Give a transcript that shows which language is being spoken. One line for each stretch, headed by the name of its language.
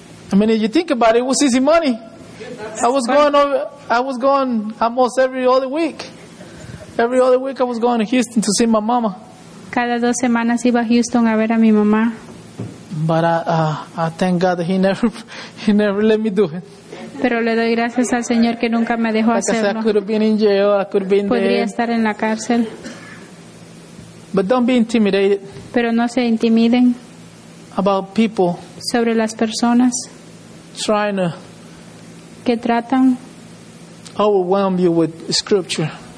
English: I mean, if you think about it, it was easy money. I was going almost every other week. Every other week, I was going to Houston to see my mama.
Spanish: Cada dos semanas iba a Houston a ver a mi mamá.
English: But I thank God that he never let me do it.
Spanish: Pero le doy gracias al Señor que nunca me dejó
English: like
Spanish: hacerlo.
English: I could have been in jail. I could have been
Spanish: podría
English: there.
Spanish: Podría estar en la cárcel.
English: But don't be intimidated.
Spanish: Pero no se intimiden.
English: About people.
Spanish: Sobre las personas.
English: Trying to.
Spanish: Que tratan.
English: Overwhelm you with scripture.